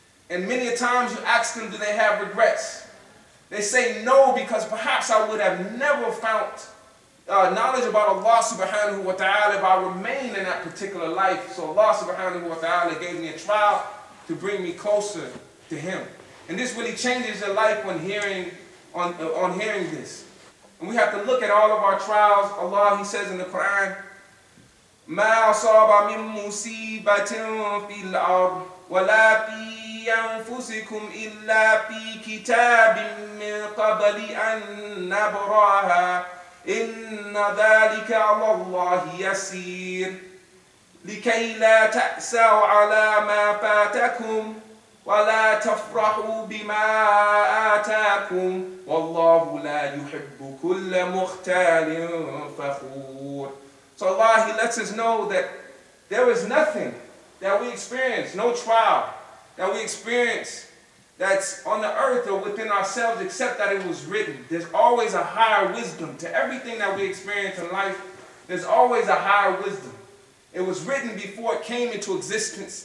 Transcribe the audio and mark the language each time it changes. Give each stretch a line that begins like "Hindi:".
English: And many a times you ask them, do they have regrets? They say no, because perhaps I would have never found knowledge about Allah subhanahu wa ta'ala if I remain in that particular life. So Allah subhanahu wa ta'ala gave me a trial to bring me closer to Him. And this really changes your life when hearing this. And we have to look at all of our trials. Allah, He says in the Quran,
Arabic: مَا أَصَابَ مِن مُصِيبَةٍ فِي الْأَرْضِ وَلَا فِي أَنفُسِكُمْ إِلَّا فِي كِتَابٍ مِّن قَبَلِ أَن نَبْرَاهَا إِنَّ ذَلِكَ عَلَى اللَّهِ يَسِيرٌ لِكَيْ لَا تَأْسَوْا عَلَى مَا فَاتَكُمْ وَلَا تَفْرَحُوا بِمَا آتَاكُمْ وَاللَّهُ لَا يُحِبُّ كُلَّ مُخْتَالٍ فَخُورٍ.
English: So Allah, He lets us know that there is nothing that we experience, no trial that we experience that's on the earth or within ourselves, except that it was written. There's always a higher wisdom to everything that we experience in life. There's always a higher wisdom. It was written before it came into existence.